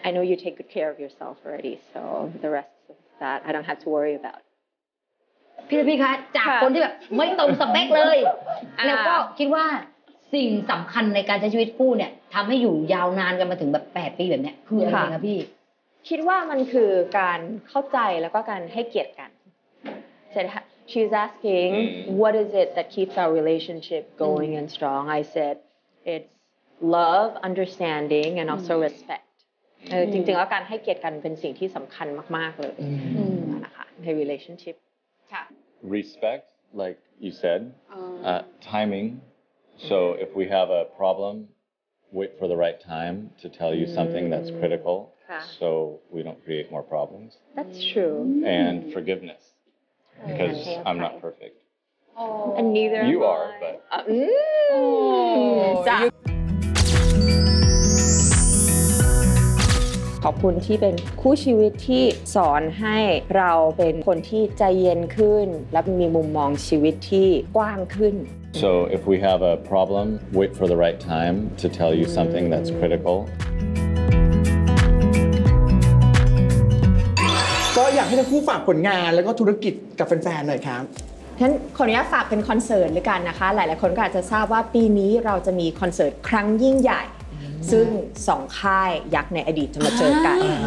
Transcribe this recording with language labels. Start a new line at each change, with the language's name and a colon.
English: I know you take good care of yourself already, so the rest of that I don't have to worry about.
Thai: พี่ละพี่คะจากคนที่แบบไม่ตรงสเปคเลยแล้วก็คิดว่าสิ่งสำคัญในการใช้ชีวิตคู่เนี่ยทำให้อยู่ยาวนานกันมาถึงแบบ8ปีแบบเนี้ยคืออะไรคะพี่คิดว่ามันคือการเข้าใจแล้วก็การให้เกียรติกันเสร็จค่ะ
English: She's asking, what is it that keeps our relationship going and strong? I said, it's love, understanding, and also respect. จริงๆแล้วการให้เกียรติกันเป็นสิ่งที่สำคัญมากๆเลยนะคะใน relationship. Respect, like you said, timing. So if we have a problem, wait for the right time to tell you something that's critical, so we don't create more problems. That's true. And forgiveness. Because I'm not perfect. Oh. And neither you are, but.
Thai: ขอบคุณที่เป็นคู่ชีวิตที่สอนให้เราเป็นคนที่ใจเย็นขึ้นและมีมุมมองชีวิตที่กว้างขึ้น
English: So if we have a problem, wait for the right time to tell you something that's critical.
Thai: อยากให้ทั้งคู่ฝากผลงานแล้วก็ธุรกิจกับแฟนๆหน่อยครับ ฉะนั้นขออนุญาตฝากเป็นคอนเสิร์ตเลยกันนะคะหลายๆคนก็อาจจะทราบว่าปีนี้เราจะมีคอนเสิร์ตครั้งยิ่งใหญ่ซึ่ง2ค่ายยักษ์ในอดีตจะมาเจอกัน